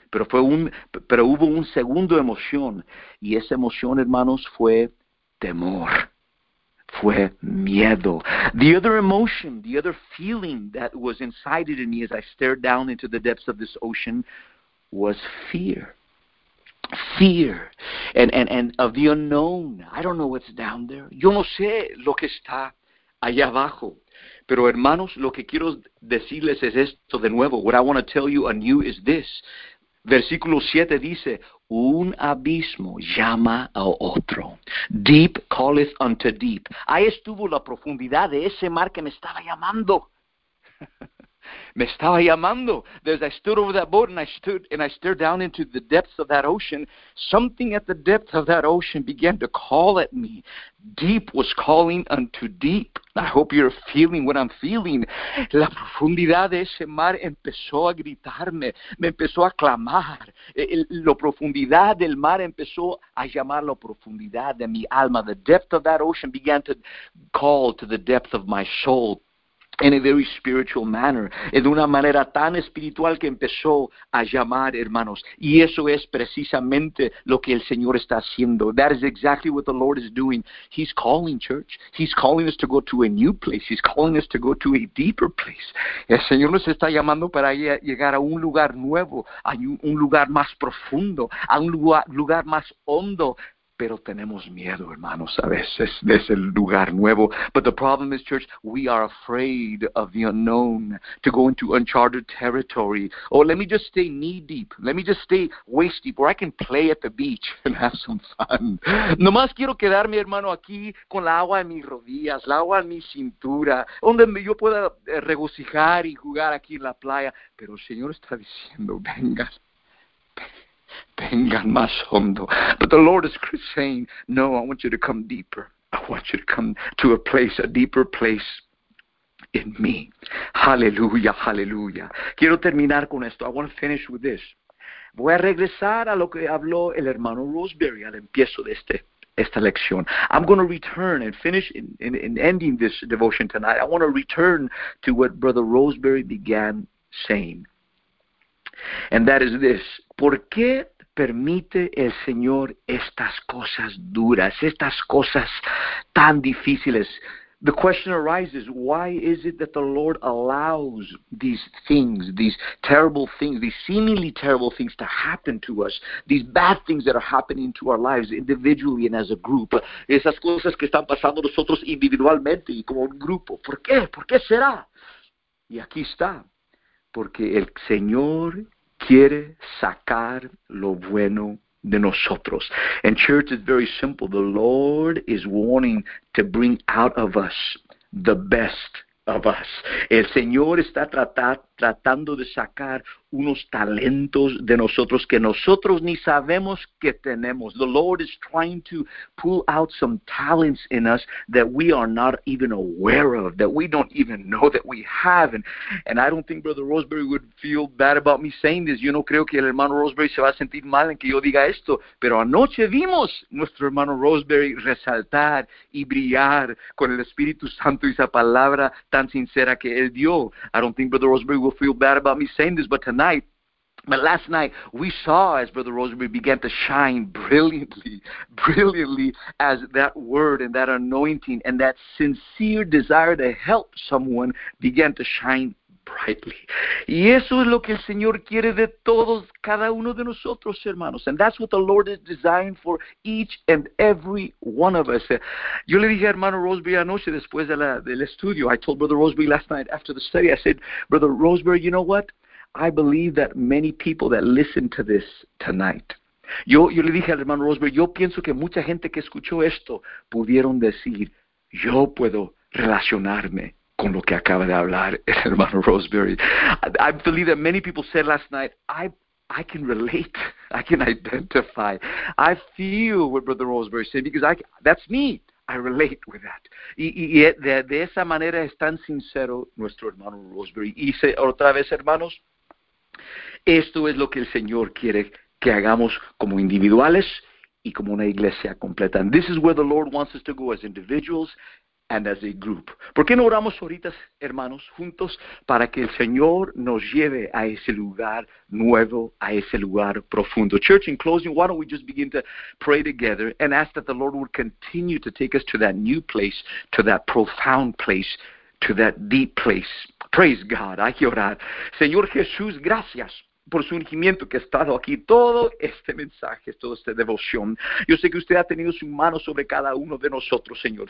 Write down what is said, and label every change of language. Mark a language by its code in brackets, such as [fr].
[es] Pero hubo un segundo emoción. Y esa emoción, hermanos, fue temor. Fue miedo. [en] The other emotion, the other feeling that was incited in me as I stared down into the depths of this ocean was fear. Fear and of the unknown. I don't know what's down there. [es] Yo no sé lo que está allá abajo. Pero hermanos, lo que quiero decirles es esto de nuevo. [en] What I want to tell you anew is this. [es] Versículo 7 dice, un abismo llama a otro. [en] Deep calleth unto deep. [es] Ahí estuvo la profundidad de ese mar que me estaba llamando. Me estaba llamando. [en] As I stood over that boat and I stared down into the depths of that ocean, something at the depth of that ocean began to call at me. Deep was calling unto deep. I hope you're feeling what I'm feeling. [es] La profundidad de ese mar empezó a gritarme, me empezó a clamar. La profundidad del mar empezó a llamar la profundidad de mi alma. [en] The depth of that ocean began to call to the depth of my soul. In a very spiritual manner. [es] En una manera tan espiritual que empezó a llamar, hermanos. Y eso es precisamente lo que el Señor está haciendo. [en] That is exactly what the Lord is doing. He's calling, church. He's calling us to go to a new place. He's calling us to go to a deeper place. [es] El Señor nos está llamando para llegar a un lugar nuevo, a un lugar más profundo, a un lugar más hondo. pero tenemos miedo, hermanos, a veces, de ese lugar nuevo. [en] But the problem is, church, we are afraid of the unknown, to go into uncharted territory. Oh, let me just stay knee-deep. Let me just stay waist-deep, where I can play at the beach and have some fun. [es] Nomás quiero quedarme, hermano, aquí con el agua en mis rodillas, el agua en mi cintura, donde yo pueda regocijar y jugar aquí en la playa. Pero el Señor está diciendo, vengan. Vengan más hondo. [en] But the Lord is saying, no, I want you to come deeper. I want you to come to a place, a deeper place in me. Hallelujah, hallelujah. [es] Quiero terminar con esto. [en] I want to finish with this. [es] Voy a regresar a lo que habló el hermano Rosemary al empiezo de esta lección. [en] I'm going to return and finish in ending this devotion tonight. I want to return to what Brother Rosemary began saying. And that is this. [es] ¿Por qué permite el Señor estas cosas duras, estas cosas tan difíciles? [en] The question arises, why is it that the Lord allows these things, these terrible things, these seemingly terrible things to happen to us, these bad things that are happening to our lives individually and as a group, [es] esas cosas que están pasando nosotros individualmente y como un grupo? ¿Por qué? ¿Por qué será? Y aquí está. Porque el Señor quiere sacar lo bueno de nosotros. [en] And church, it's very simple. The Lord is wanting to bring out of us the best of us. [es] El Señor está tratando de sacar unos talentos de nosotros que nosotros ni sabemos que tenemos. [en] The Lord is trying to pull out some talents in us that we are not even aware of, that we don't even know that we have. And I don't think Brother Rosemary would feel bad about me saying this. [es] Yo no creo que el hermano Rosemary se va a sentir mal en que yo diga esto. Pero anoche vimos nuestro hermano Rosemary resaltar y brillar con el Espíritu Santo y esa palabra tan sincera que él dio. [en] I don't think Brother Rosemary will feel bad about me saying this, but last night, we saw as Brother Rosemary began to shine brilliantly as that word and that anointing and that sincere desire to help someone began to shine brightly. [es] Y eso es lo que el Señor quiere de todos, cada uno de nosotros, hermanos. [en] And that's what the Lord is designed for each and every one of us. [es] Yo le dije a hermano Rosemary anoche después del estudio, [en] I told Brother Rosemary last night after the study, I said, Brother Rosemary, you know what? I believe that many people that listen to this tonight. [es] Yo le dije al hermano Rosemary, yo pienso que mucha gente que escuchó esto pudieron decir, yo puedo relacionarme con lo que acaba de hablar el hermano Rosemary. [en] I believe that many people said last night, I can relate, I can identify. I feel what Brother Rosemary said because that's me. I relate with that. [es] Y de esa manera es tan sincero nuestro hermano Rosemary. Y dice otra vez, hermanos, esto es lo que el Señor quiere que hagamos como individuales y como una iglesia completa. [en] And this is where the Lord wants us to go as individuals and as a group. [es] ¿Por qué no oramos ahorita, hermanos, juntos, para que el Señor nos lleve a ese lugar nuevo, a ese lugar profundo? [en] Church, in closing, why don't we just begin to pray together and ask that the Lord would continue to take us to that new place, to that profound place, to that deep place. Praise God, [es] hay que orar. Señor Jesús, gracias por su ungimiento que ha estado aquí, todo este mensaje, toda esta devoción. Yo sé que usted ha tenido su mano sobre cada uno de nosotros, Señor.